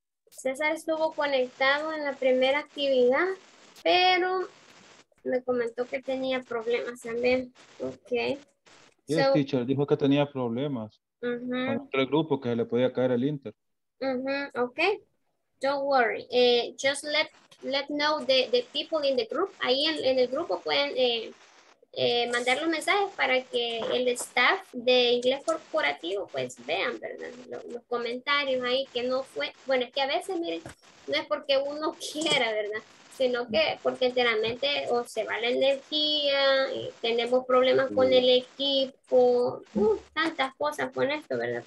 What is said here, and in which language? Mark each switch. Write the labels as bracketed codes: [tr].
[es] César estuvo conectado en la primera actividad, pero me comentó que tenía problemas también. [en] Okay. Yes, so, teacher, [es] dijo que tenía problemas. Uh-huh. Con otro grupo que se le podía caer el Inter. [en] Uh-huh. Okay. Don't worry. Just let know the people in the group. [es] Ahí en el grupo pueden mandar los mensajes para que el staff de Inglés Corporativo pues vean, ¿verdad? Los comentarios ahí que no fue, bueno, es que a veces miren, no es porque uno quiera, ¿verdad? Sino que porque enteramente o se va la energía, tenemos problemas con el equipo, tantas cosas con esto, ¿verdad?